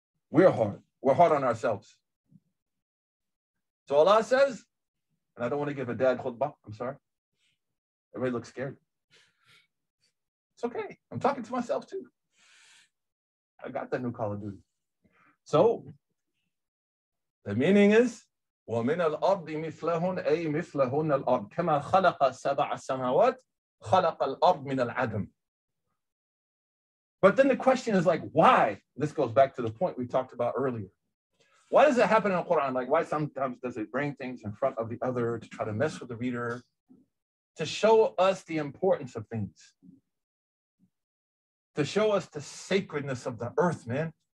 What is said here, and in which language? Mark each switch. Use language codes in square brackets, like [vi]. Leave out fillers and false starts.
[en] We are hard. We're hard on ourselves. So Allah says, and I don't want to give a dad khutbah, I'm sorry. Everybody looks scared. It's okay. I'm talking to myself too. I got the new Call of Duty. So the meaning is, [ar] وَمِنَ الْأَرْضِ مِثْلَهُنْ أَيْ مِثْلَهُنَّ الْأَرْضِ كَمَا خَلَقَ سَبَعَ السَّمَاوَاتِ خَلَقَ الْأَرْضِ مِنَ الْعَدَمِ. [en] But then the question is like, why? This goes back to the point we talked about earlier. Why does it happen in the Quran? Like, why sometimes does it bring things in front of the other to try to mess with the reader, to show us the importance of things, to show us the sacredness of the earth, man?